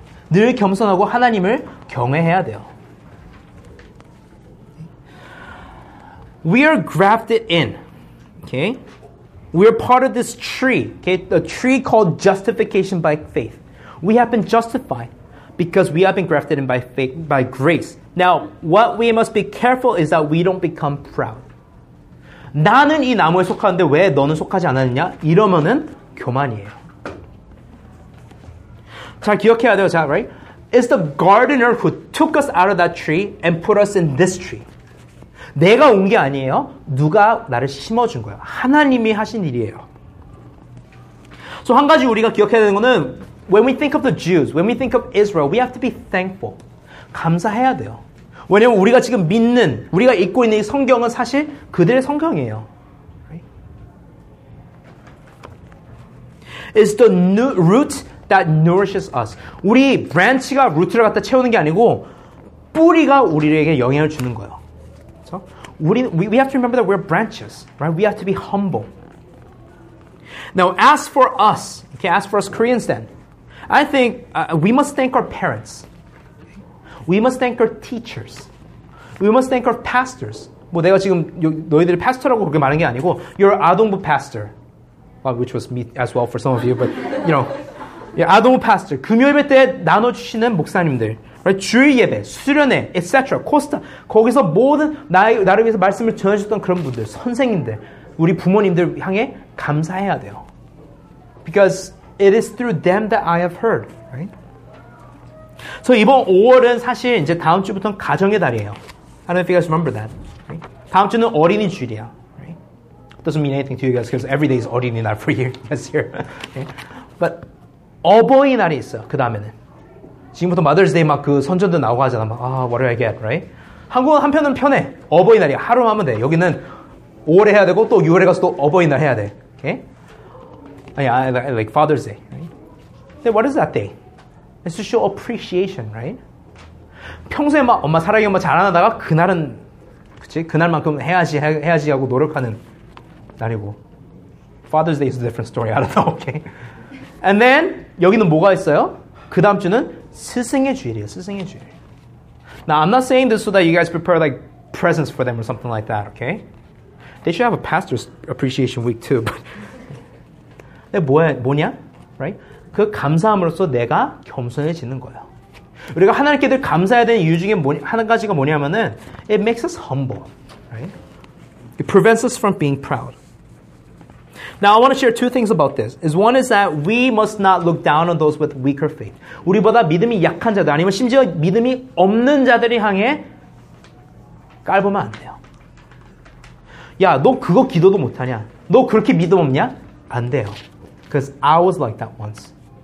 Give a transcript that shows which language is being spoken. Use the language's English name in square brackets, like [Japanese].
[Korean] 늘 겸손하고 하나님을 경외해야 돼요. [English] We are grafted in, okay? We are part of this tree, okay? A tree called justification by faith. We have been justified because we have been grafted in by faith, by grace. Now, what we must be careful is that we don't become proud. [Korean] 나는 이 나무에 속하는데 왜 너는 속하지 않았느냐? 이러면은 교만이에요. 잘 기억해야 돼요. 자, right? [English] It's the gardener who took us out of that tree and put us in this tree. [Korean] 내가 온 게 아니에요. 누가 나를 심어준 거예요. 하나님이 하신 일이에요. [English] So [Korean] 한 가지 우리가 기억해야 되는 거는 [English] when we think of the Jews, when we think of Israel, we have to be thankful. [Korean] 감사해야 돼요. 왜냐하면 우리가 지금 믿는, 우리가 읽고 있는 이 성경은 사실 그들의 성경이에요. [English] It's the root that nourishes us. [Korean] 우리 브랜치가 루트를 갖다 채우는 게 아니고 뿌리가 우리에게 영향을 주는 거예요. [English] So, we have to remember that we're branches, right? We have to be humble. Now, as for us, okay, as for us Koreans then, I think we must thank our parents. We must thank our teachers. We must thank our pastors. [Korean] 뭐 내가 지금 너희들이 파스터라고 그렇게 말한 게 아니고 [English] your 아동부 pastor, which was me as well for some of you, but you know, [Korean] yeah, 아동부 pastor, 금요일 예배 때 나눠주시는 목사님들, right? 주일 예배, 수련회, etc. 코스타, 거기서 모든 나를 위해서 말씀을 전해주셨던 그런 분들, 선생님들, 우리 부모님들 향해 감사해야 돼요. [English] Because it is through them that I have heard, right? [Korean] So 이번 5월은 사실 이제 다음 주부터는 가정의 달이에요. [English] I don't know if you guys remember that. Right? [Korean] 다음 주는 어린이 주일이야. [English] Right? Doesn't mean anything to you guys because every day is 어린이날 for you guys here. [Korean] Okay? But 어버이날이 있어. 그 다음에는 지금부터 Mother's Day 막 그 선전도 나오고 하잖아. 막, ah, [English] what do I get, right? [Korean] 한국은 한편은 편해. 어버이날이야. 하루만 하면 돼. 여기는 5월에 해야 되고 또 6월에 가서 또 어버이날 해야 돼. [English] Okay? Yeah, like Father's Day. Right? What is that day? It's to show appreciation, right? [Korean] 평소에 막 엄마 사랑해 엄마 자랑하다가 그날은 그치? 그날만큼 해야지 해야지 하고 노력하는 날이고 [English] Father's Day is a different story. I don't know. Okay. And then [Korean] 여기는 뭐가 있어요? 그 다음 주는 스승의 주일이에요. 스승의 주일. [English] Now I'm not saying this so that you guys prepare like presents for them or something like that. Okay. They should have a pastor's appreciation week too. But [Korean] 근데 뭐냐? Right? 그 감사함으로써 내가 겸손해지는 거예요. 우리가 하나님께 늘 감사해야 되는 이유 중에 한 가지가 뭐냐면은 [English] it makes us humble, right? It prevents us from being proud. Now I want to share two things about this. Is one is that we must not look down on those with weaker faith. [Korean] 우리보다 믿음이 약한 자들 아니면 심지어 믿음이 없는 자들이 향해 깔보면 안 돼요. 야, 너 그거 기도도 못하냐? 너 그렇게 믿음 없냐? 안 돼요. [English] Because I was like that once.